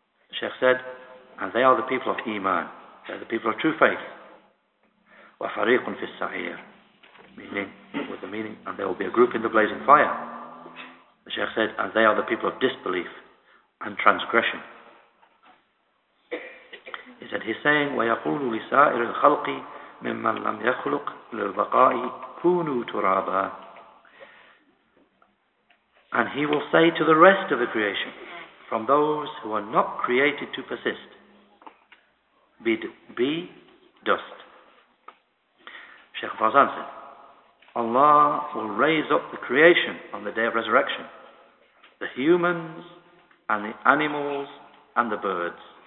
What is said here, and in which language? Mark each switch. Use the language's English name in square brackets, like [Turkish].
[English] The Sheikh said, and they are the people of Iman, they are the people of true faith. [Arabic] وَفَرِيقٌ فِي السَّعِيرِ, [English] meaning, with the meaning, and there will be a group in the blazing fire. The Sheikh said, and they are the people of disbelief and transgression. He said, he's saying, [Arabic] وَيَقُولُ لِسَائِرِ الْخَلْقِ مِمَّنْ لَمْ يَخْلُقْ لِلْبَقَاءِ كُونُوا تُرَابًا. [English] And he will say to the rest of the creation, from those who are not created to persist, be dust. Sheikh Fawzan said, Allah will raise up the creation on the day of resurrection, the humans and the animals and the birds.